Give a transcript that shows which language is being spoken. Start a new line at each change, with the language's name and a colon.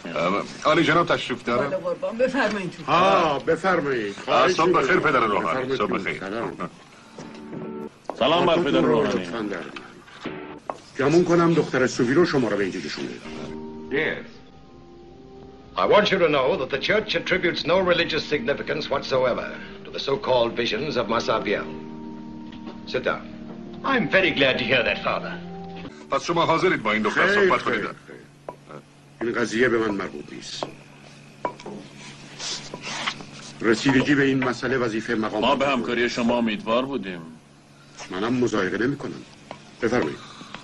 Persian: میاد. آلی جناب تشریف دارم. بله قربان، بفرمایید. ها بفرمایید. سلام به خیر پدر روحانی. سلام به خیر. سلام بر پدر روحانی. گمون کنم دختر سوویرو شما رو به اینجا کشونده.
English: I want you to know that the church attributes no religious significance whatsoever to the so-called visions of Masabiel. Sit down. I'm very glad to hear that, Father.
Persian: پس شما حاضرید با این دختر صحبت کنید؟ خیلی خیلی. این قضیه به من مربوط نیست. رسیدگی به این مسئله وظیفه مقام ما به همکاری شما امیدوار بودیم. منم مزایقه نمی کنم. بفرمایید.